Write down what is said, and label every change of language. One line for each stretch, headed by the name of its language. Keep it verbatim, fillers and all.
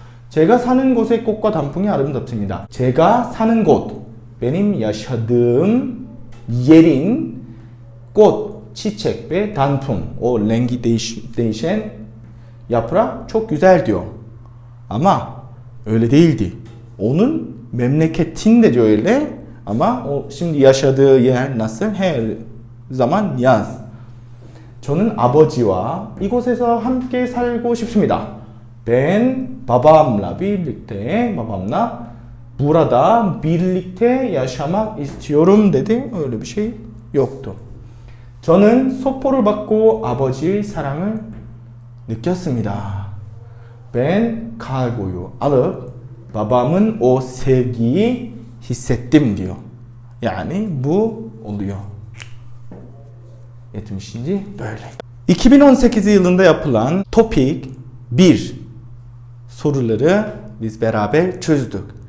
Korean: 제가 사는 곳의 꽃과 단풍이 아름답습니다. 제가 사는 곳
Turkish: benim yaşadığım yerin
Korean: 꽃,
Turkish: çiçek ve
Korean: 단풍
Turkish: o rengi değiş, değişen yaprak çok güzel diyor. Ama öyle değildi. Onun memleketinde diyor öyle. Ama o şimdi yaşadığı yer nasıl? Her zaman yaz.
Korean: 저는 아버지와 이곳에서 함께 살고 싶습니다.
Turkish: Ben babamla birlikte, babamla burada birlikte yaşamak istiyorum dedi. Öyle bir şey yoktu.
Korean: 저는 소포를 받고 아버지의 사랑을 느꼈습니다.
Turkish: Ben kargoyu alıp babamın o sevgiyi hissettim diyor. Yani bu oluyor. yetmişinci böyle. iki bin on sekiz yılında yapılan topik bir soruları biz beraber çözdük.